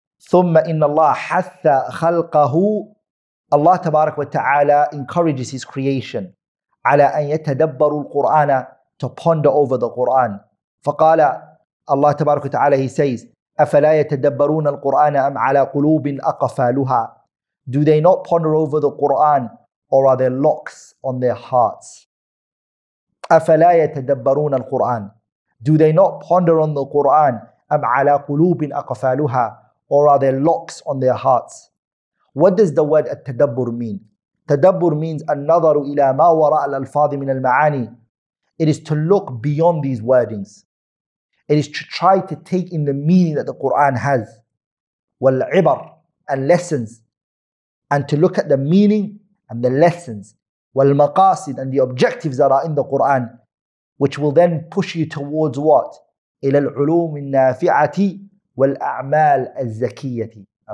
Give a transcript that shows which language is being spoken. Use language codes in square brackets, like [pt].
[ar] ثم إن الله حث خلقه, Allah تبارك وتعالى [en] encourages his creation [ar] على أن يتدبر القرآن, [en] to ponder over the Quran. [ar] فقال الله تبارك وتعالى, [en] he says, [ar] أفلا يتدبرون القرآن أم على قلوب أقفالها. [en] Do they not ponder over the Quran, or are there locks on their hearts? [ar] أفلا يتدبرون القرآن. [en] Do they not ponder on the Quran, [ar] أم على قلوب أقفالها, [en] or are there locks on their hearts? What does the word التدبر mean? [ar] تدبر means النظر إلى ما وراء الألفاظ من المعاني. [en] It is to look beyond these wordings. It is to try to take in the meaning that the Quran has, والعبر, and lessons, and to look at the meaning and the lessons, والمقاصد, and the objectives that are in the Quran, which will then push you towards what? [ar] إلى العلوم النافعة والأعمال الزكية.